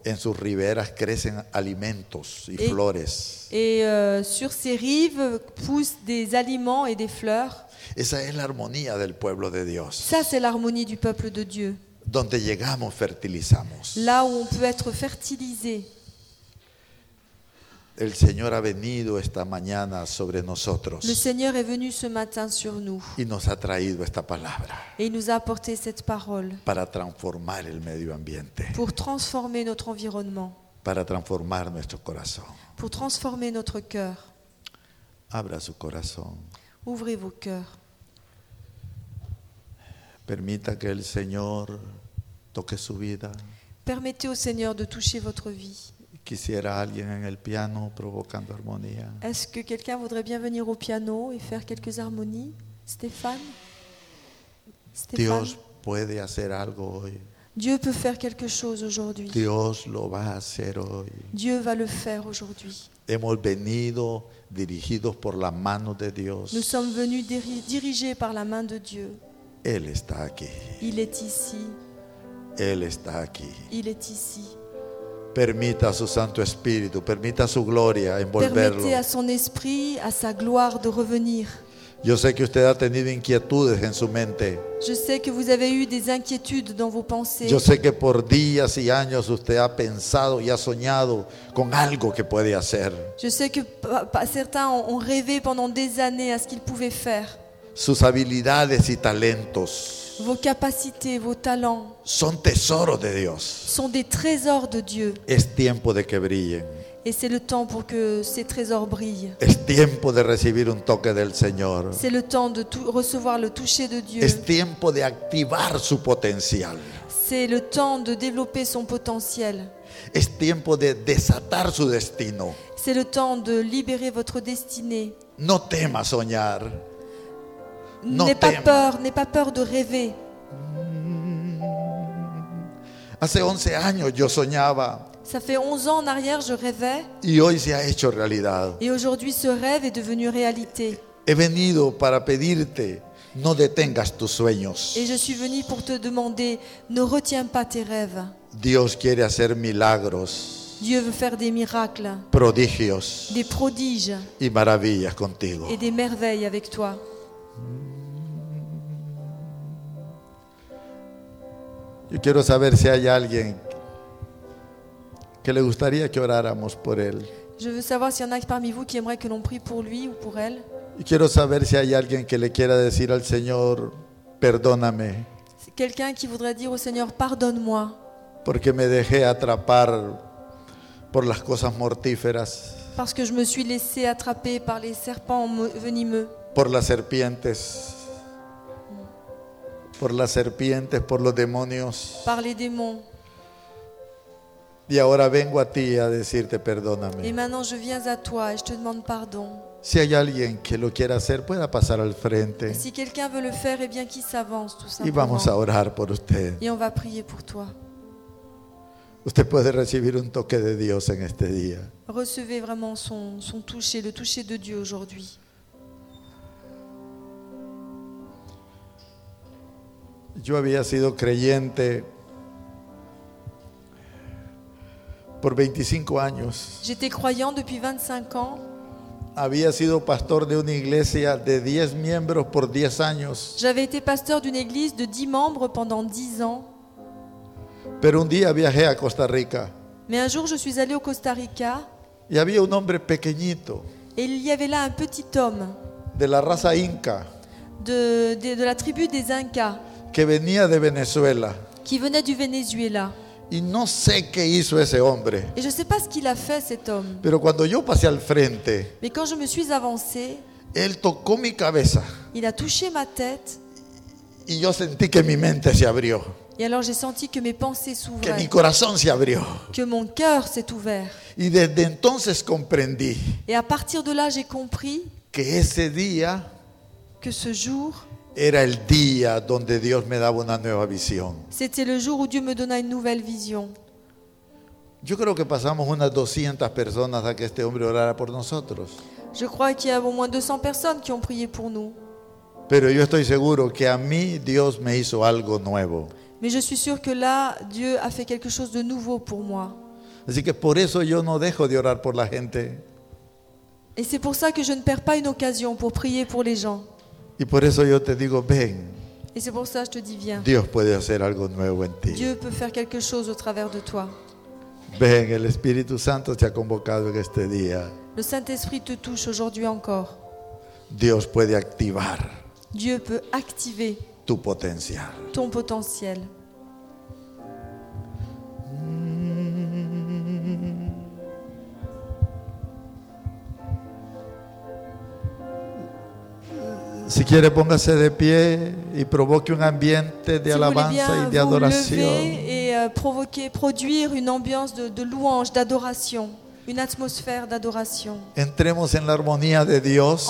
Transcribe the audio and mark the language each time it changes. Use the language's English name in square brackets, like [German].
[Spanish] En sus riberas crecen alimentos y flores. [French] Et sur ses rives poussent des aliments et des fleurs. [Spanish] Esa es la armonía del pueblo de Dios. [French] Ça c'est l'harmonie du peuple de Dieu. [Spanish] Donde llegamos, fertilizamos. [French] Là où on peut être fertilisé. [Spanish] El Señor ha venido esta mañana sobre nosotros. [French] Le Seigneur est venu ce matin sur nous. [Spanish] Y nos ha traído esta palabra. [French] Et il nous a apporté cette parole. [Spanish] Para transformar el medio ambiente. [French] Pour transformer notre environnement. [Spanish] Para transformar nuestro corazón. [French] Pour transformer notre cœur. [Spanish] Abra su corazón. [French] Ouvrez vos cœurs. [Spanish] Permita que el Señor toque su vida. [French] Permettez au Seigneur de toucher votre vie. [Spanish] Quisiera alguien en el piano provocando armonía. [French] Est-ce que quelqu'un voudrait bien venir au piano et faire quelques harmonies? [Spanish] Stéphane? [French] Stéphane? [Spanish] Dios puede hacer algo hoy. [French] Dieu peut faire quelque chose aujourd'hui. [Spanish] Dios lo va a hacer hoy. [French] Dieu va le faire aujourd'hui. [Spanish] Hemos venido dirigidos por la mano de Dios. [French] Nous sommes venus dirigés par la main de Dieu. [Spanish] Él está aquí. [French] Il est ici. [Spanish] Él está aquí. [French] Il est ici. [Spanish] Permita a su Santo Espíritu, permita su gloria envolverlo. [French] Permettez à son esprit, à sa gloire de revenir. [Spanish] Yo sé que usted ha tenido inquietudes en su mente. [French] Je sais que vous avez eu des inquiétudes dans vos pensées. [Spanish] Yo sé que por días y años usted ha pensado y ha soñado con algo que puede hacer. [French] Je sais que certains ont rêvé pendant des années à ce qu'ils pouvaient faire. [Spanish] Sus habilidades y talentos. [French] Vos capacités, vos talents. [Spanish] Son tesoros de Dios. [French] Son des trésors de Dieu. [Spanish] Es tiempo de que brillen. [French] Et c'est le temps pour que ces trésors brillent. [Spanish] Es tiempo de recibir un toque del Señor. [French] C'est le temps de recevoir le toucher de Dieu. [Spanish] Es tiempo de activar su potencial. [French] C'est le temps de développer son potentiel. [Spanish] Es tiempo de desatar su destino. [French] C'est le temps de libérer votre destinée. [Spanish] No temas soñar. [French] N'aie pas peur de rêver. [Spanish] Hace 11 años yo soñaba. [French] Ça fait 11 ans en arrière je rêvais. [Spanish] Y hoy se ha hecho realidad. [French] Et aujourd'hui ce rêve est devenu réalité. [Spanish] He venido para pedirte no detengas tus sueños. [French] Et je suis venu pour te demander ne retiens pas tes rêves. [Spanish] Dios quiere hacer milagros. [French] Dieu veut faire des miracles. [Spanish] Prodigios. [French] Des prodiges. [Spanish] Y maravillas contigo. [French] Et des merveilles avec toi. [Spanish] Yo quiero saber si hay alguien que le gustaría que oráramos por él. [French] Je veux savoir s'il y en a parmi vous qui aimerait que l'on prie pour lui ou pour elle. [Spanish] Y quiero saber si hay alguien que le quiera decir al Señor, perdóname. [French] Quelqu'un qui voudrait dire au Seigneur pardonne-moi. [Spanish] Porque me dejé atrapar por las cosas mortíferas. [French] Parce que je me suis laissé attraper par les serpents venimeux. [Spanish] Por las serpientes. Por las serpientes, por los demonios. [French] Par les démons. [Spanish] Y ahora vengo a ti a decirte perdóname. [French] Et maintenant je viens à toi et je te demande pardon. [Spanish] Si hay alguien que lo quiera hacer, pueda pasar al frente. [French] Si quelqu'un veut le faire, eh bien qu'il s'avance tout simplement. [Spanish] Y vamos a orar por usted. [French] Et on va prier pour toi. [Spanish] Usted puede recibir un toque de Dios en este día. [French] Recevez vraiment son toucher, le toucher de Dieu aujourd'hui. [Spanish] Yo había sido creyente por 25 años. [French] J'étais croyant depuis 25 ans. [Spanish] Había sido pastor de una iglesia de 10 miembros por 10 años. [French] J'avais été pasteur d'une église de 10 membres pendant 10 ans. [Spanish] Pero un día viajé a Costa Rica. [French] Mais un jour je suis allé au Costa Rica. [Spanish] Y había un hombre pequeñito. [French] Et il y avait là un petit homme. [Spanish] De la raza Inca. [French] De la tribu des Incas. [Spanish] Que venía de Venezuela. [French] Qui venait du Venezuela. [Spanish] Y no sé qué hizo ese hombre. [French] Et je sais pas ce qu'il a fait cet homme. [Spanish] Pero cuando yo pasé al frente. [French] Mais quand je me suis avancé. [Spanish] Él tocó mi cabeza. [French] Il a touché ma tête. [Spanish] Y yo sentí que mi mente se abrió. [French] Et alors j'ai senti que mes pensées s'ouvraient. [Spanish] Que mi corazón se abrió. [French] Que mon cœur s'est ouvert. [Spanish] Y desde entonces comprendí. [French] Et à partir de là, j'ai compris. [Spanish] Que ese día. [French] Que ce jour. [Spanish] Era el día donde Dios me daba una nueva visión. [French] C'était le jour où Dieu me donna une nouvelle vision. [Spanish] Yo creo que pasamos unas 200 personas a que este hombre orara por nosotros. [French] Je crois qu'il y a au moins 200 personnes qui ont prié pour nous. [Spanish] Pero yo estoy seguro que a mí Dios me hizo algo nuevo. [French] Mais je suis sûr que là Dieu a fait quelque chose de nouveau pour moi. [Spanish] Así que por eso yo no dejo de orar por la gente. [French] Et c'est pour ça que je ne perds pas une occasion pour prier pour les gens. [Spanish] Y por eso yo te digo, ven. [French] Et c'est pour ça que je te dis viens. [Spanish] Dios puede hacer algo nuevo en ti. [French] Dieu peut faire quelque chose au travers de toi. [Spanish] Ven, el Espíritu Santo te ha convocado en este día. [French] Le Saint-Esprit te touche aujourd'hui encore. [Spanish] Dios puede activar. [French] Dieu peut activer [Spanish] tu potencial. [French] Ton potentiel. [Spanish] Si quiere póngase de pie y provoque un ambiente de si alabanza y de adoración. [French] Et provoquer, produire une ambiance de louange, d'adoration, une atmosphère d'adoration. [Spanish] Entremos en la armonía de Dios.